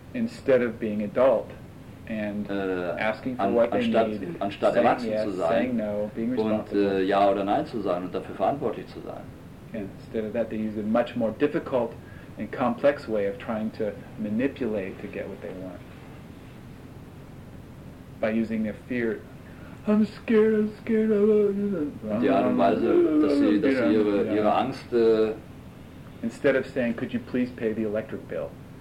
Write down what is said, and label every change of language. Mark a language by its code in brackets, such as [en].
[en] Instead of being adult and asking for what [de] anstatt, [en] they need, [de] anstatt erwachsen [en] yes, [de] zu sein [en] no, [de] und ja oder nein zu sagen und dafür verantwortlich zu sein. [en] Instead of that, they use a much more difficult and complex way of trying to manipulate to get what they want. By using their fear, I'm scared. [de] Die Art und Weise, dass sie ihre Angst. [en] Instead of saying, could you please pay the electric bill?